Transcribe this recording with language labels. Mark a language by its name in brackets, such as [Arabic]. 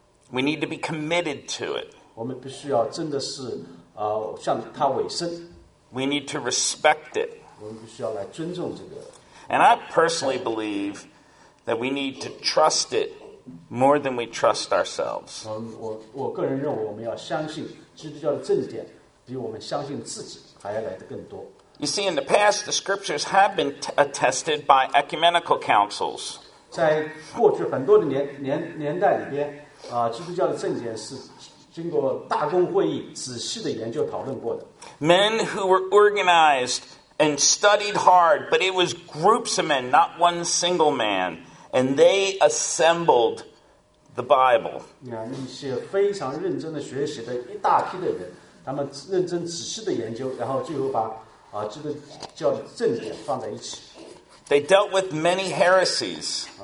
[English] We need to be committed to it. [Chinese] 我们必须要真的是向他委身。 [English] We need to respect it. [Chinese] 我们必须要来尊重这个。 [English] And I personally believe that we need to trust it more than we trust ourselves. [Chinese] 我个人认为我们要相信基督教的正典比我们相信自己还要来得更多。 [English] You see, in the past, the scriptures have been attested by ecumenical councils. [Chinese] 在过去很多的年代里边，基督教的正典是经过大公会议仔细的研究讨论过的。 [English] Men who were organized and studied hard, but it was groups of men, not one single man, and they assembled the Bible. [Chinese] 一些非常认真的学习的一大批的人，他们认真仔细的研究，然后最后把基督教的正典放在一起。 [English] They dealt with many heresies.